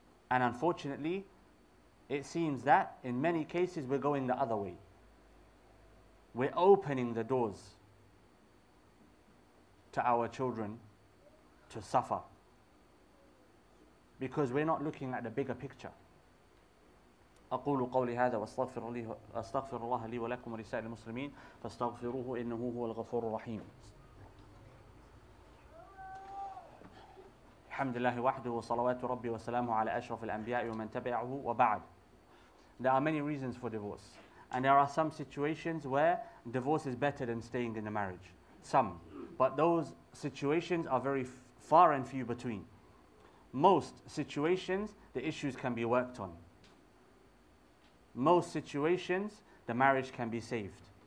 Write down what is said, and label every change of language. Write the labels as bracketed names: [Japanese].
[English] And unfortunately, it seems that in many cases we're going the other way. We're opening the doors to our children to suffer, because we're not looking at the bigger picture. [Arabic] أقول قولي هذا واستغفر الله لي ولكم ولسائر المسلمين فاستغفروه إنه هو الغفور الرحيم. الحمد لله وحده وصلوات ربي وسلامه على أشرف الأنبياء ومن تبعه وبعد. [English] There are many reasons for divorce, and there are some situations where divorce is better than staying in the marriage. Some, but those situations are very far and few between. Most situations, the issues can be worked on. most situations, the marriage can be saved.